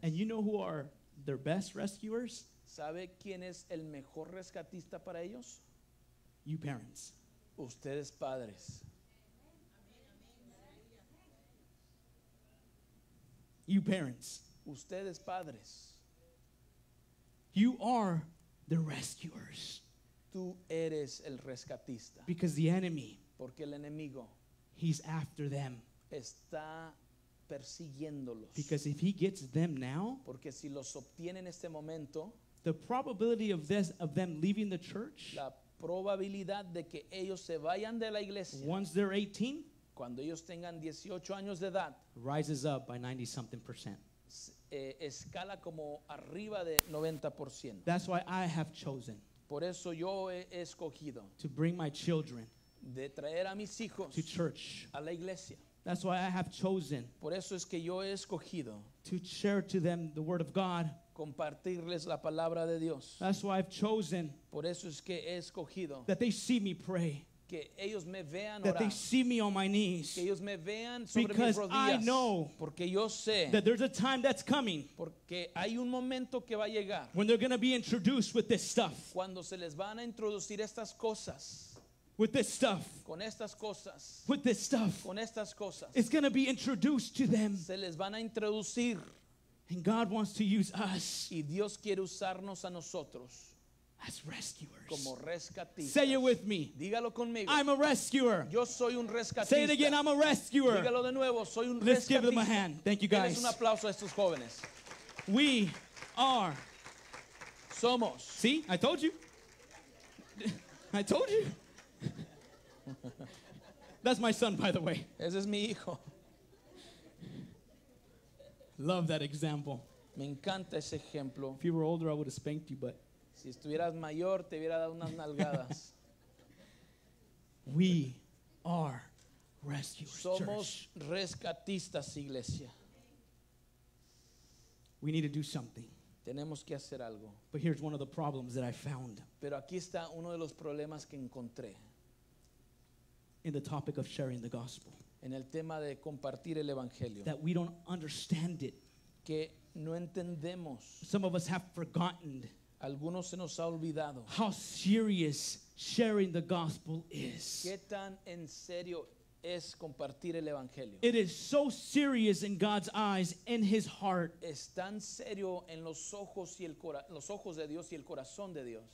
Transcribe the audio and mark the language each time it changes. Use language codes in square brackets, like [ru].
[en] And you know who are their best rescuers? [es] ¿Sabe quién es el mejor rescatista para ellos? [en] You parents. [es] Ustedes padres. [en] You parents. [es] Ustedes padres. [en] You are the rescuers. [es] Tú eres el rescatista. [en] Because the enemy. [es] Porque el enemigo, [en] he's after them. [es] Está persiguiéndolos. [en] Because if he gets them now, [es] porque si los obtiene en este momento, [en] the probability of this of them leaving the church, [es] la probabilidad de que ellos se vayan de la iglesia, [en] once they're 18, [es] cuando ellos tengan 18 años de edad, [en] rises up by 90 something percent. [es] Escala como arriba de 90%. [en] That's why I have chosen. [es] Por eso yo he escogido. [en] To bring my children. [es] De traer a mis hijos. [en] To church. [es] A la iglesia. [en] That's why I have chosen. [es] Por eso es que yo he escogido. [en] To share to them the word of God. [es] Compartirles la palabra de Dios. [en] That's why I've chosen. [es] Por eso es que he escogido. [en] That they see me pray. [es] Que ellos me vean orar. [en] That they see me on my knees. [es] Que ellos me vean sobre [en] because [es] mis rodillas. [en] I know [es] porque yo sé [en] that there's a time that's coming [es] porque hay un momento que va a llegar [en] when they're going to be introduced with this stuff. [es] Cuando se les van a introducir estas cosas. [en] With this stuff. [es] Con estas cosas. [en] With this stuff. [es] Con estas cosas. [en] It's going to be introduced to them. [es] Se les van a introducir. [en] And God wants to use us. [es] Y Dios quiere usarnos a nosotros. [en] As rescuers. [es] Como rescatistas. [en] Say it with me. [es] Dígalo conmigo. [en] I'm a rescuer. [es] Yo soy un rescatista. [en] Say it again. I'm a rescuer. [es] Dígalo de nuevo. Soy un [en] Let's [es] rescatista. [en] Give them a hand. Thank you guys. [es] Denles un aplauso a estos jóvenes. [en] We are. [es] Somos. [en] See, I told you. I told you. That's my son, by the way. [es] Ese es mi hijo. [en] Love that example. [es] Me encanta ese ejemplo. [en] If you were older, I would have spanked you, but. [es] Si estuvieras mayor, te hubiera dado unas nalgadas. [en] We are rescuers. [es] Somos rescatistas, iglesia. [en] We need to do something. [es] Tenemos que hacer algo. [en] But here's one of the problems that I found. [es] Pero aquí está uno de los problemas que encontré. [en] In the topic of sharing the gospel. [es] En el tema de compartir el evangelio. [en] That we don't understand it. [es] Que no entendemos. [en] Some of us have forgotten. [es] Algunos se nos ha olvidado. [en] How serious sharing the gospel is. [es] ¿Qué tan en serio es compartir el evangelio? [en] It is so serious in God's eyes and his heart. [es] Es tan serio en los ojos y el los ojos de Dios y el corazón de Dios.